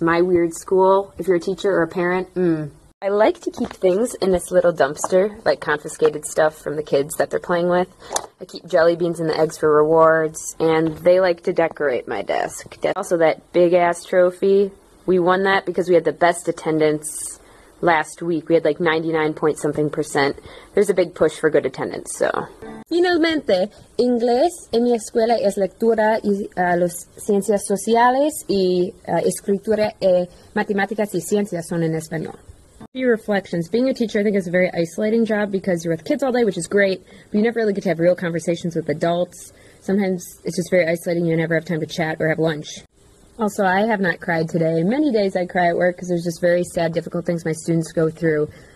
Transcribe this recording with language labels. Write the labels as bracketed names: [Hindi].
[English] My Weird School, if you're a teacher or a parent, I like to keep things in this little dumpster, like confiscated stuff from the kids that they're playing with. I keep jelly beans and the eggs for rewards, and they like to decorate my desk. Also, that big-ass trophy, we won that because we had the best attendance last week. We had like 99.something%. There's a big push for good attendance, so. [Spanish] Finalmente, inglés en mi escuela es lectura y los ciencias sociales y escritura y matemáticas y ciencias son en español. [English] Few reflections. Being a teacher, I think, is a very isolating job because you're with kids all day, which is great, but you never really get to have real conversations with adults. Sometimes it's just very isolating. You never have time to chat or have lunch. Also, I have not cried today. Many days I cry at work because there's just very sad, difficult things my students go through.